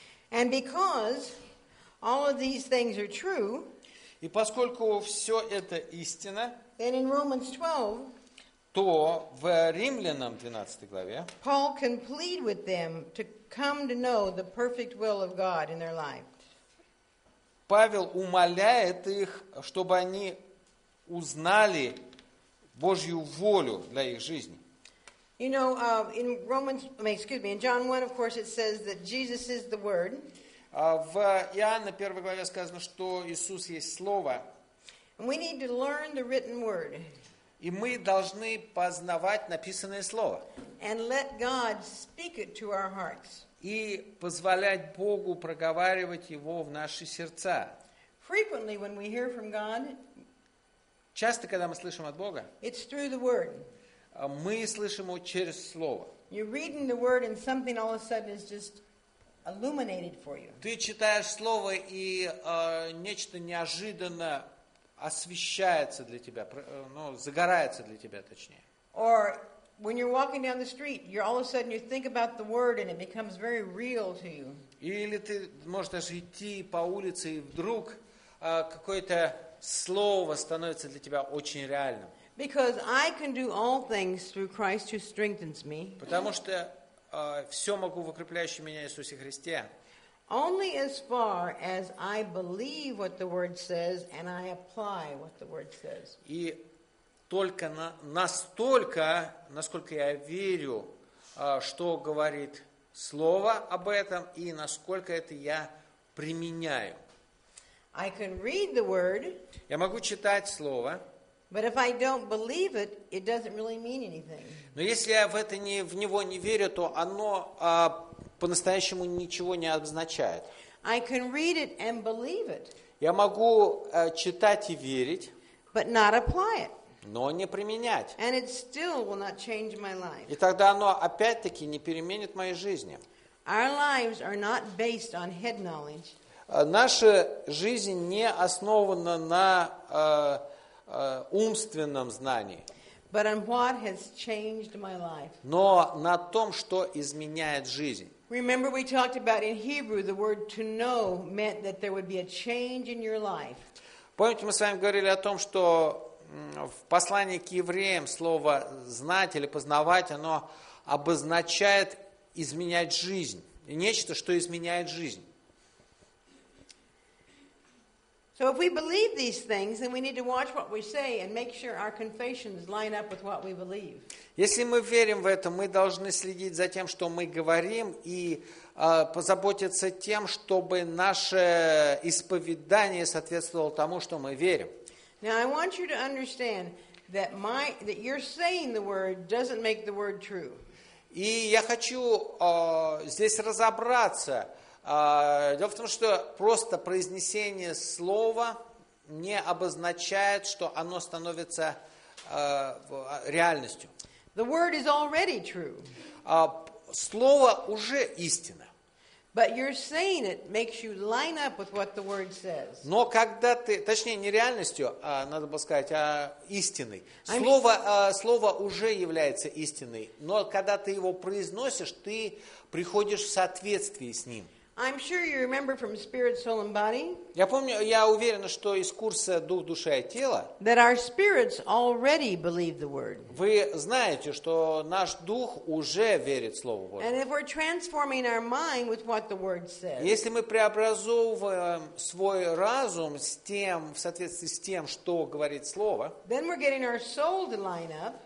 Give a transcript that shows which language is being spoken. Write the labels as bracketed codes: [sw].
[en] And because all of these things are true, [ru] и поскольку все это истина, [en] then in Romans 12, [ru] то в Римлянам 12 главе [en] Paul can plead with them to come to know the perfect will of God in their life. [ru] Павел умоляет их, чтобы они узнали Божью волю для их жизни. [en] You know, in Romans, excuse me, in John 1, of course, it says that Jesus is the Word. [ru] В Иоанна 1 главе сказано, что Иисус есть Слово. [en] We need to learn the written word. [ru] И мы должны познавать написанное слово. [en] And let God speak it to our hearts. [ru] И позволять Богу проговаривать его в наши сердца. [en] Frequently when we hear from God, [ru] часто когда мы слышим от Бога, [en] it's through the word. [ru] Мы слышим его через слово. [en] You're reading the word and something all of a sudden is just illuminated for you. [ru] Ты читаешь слово и нечто неожиданно освещается для тебя, ну, загорается для тебя, точнее. [en] Or when you're walking down the street, you're all of a sudden you think about the word and it becomes very real to you. [ru] Или ты можешь идти по улице и вдруг какое-то слово становится для тебя очень реальным. [en] Because I can do all things through Christ who strengthens me. [ru] Потому что все могу в укрепляющем меня Иисусе Христе. [en] Only as far as I believe what the word says and I apply what the word says. [ru] И только настолько, насколько я верю, что говорит слово об этом и насколько это я применяю. [en] I can read the word. [ru] Я могу читать слово. [en] But if I don't believe it, it doesn't really mean anything. [ru] Но если я в это не в него не верю, то оно по-настоящему ничего не обозначает. [en] I can read it and believe it. [ru] Я могу читать и верить, [en] but not apply it. [ru] Но не применять. [en] And it still will not change my life. [ru] И тогда оно опять-таки не переменит моей жизни. [en] Our lives are not based on head knowledge. [ru] Наша жизнь не основана на умственном знании. [en] But on what has changed my life. [ru] Но на том, что изменяет жизнь. [en] Remember we talked about in Hebrew the word to know meant that there would be a change in your life. [ru] Помните, мы с вами говорили о том, что в послании к евреям слово знать или познавать, оно обозначает изменять жизнь. Нечто, что изменяет жизнь. [en] So if we believe these things, then we need to watch what we say and make sure our confessions line up with what we believe. [ru] Если мы верим в это, мы должны следить за тем, что мы говорим, и позаботиться тем, чтобы наше исповедание соответствовало тому, что мы верим. [en] Now I want you to understand that that you're saying the word doesn't make the word true. [ru] И я хочу здесь разобраться. Дело в том, что просто произнесение слова не обозначает, что оно становится реальностью. [en] The word is already true. [ru] Слово уже истина. [en] But you're saying it makes you line up with what the word says. [ru] Но когда ты, точнее, не реальностью, а надо бы сказать, а истиной. Слово уже является истиной, но когда ты его произносишь, ты приходишь в соответствии с ним. [en] I'm sure you remember from Spirit, Soul, and Body. [ru] Я помню, я уверен, что из курса Дух, Душа и Тело. [en] That our spirits already believe the word. [ru] Вы знаете, что наш дух уже верит слову Божьему. [en] And if we're transforming our mind with what the word says. [ru] Если мы преобразовываем свой разум с тем, в соответствии с тем, что говорит слово. [en] Then we're getting our soul to line up.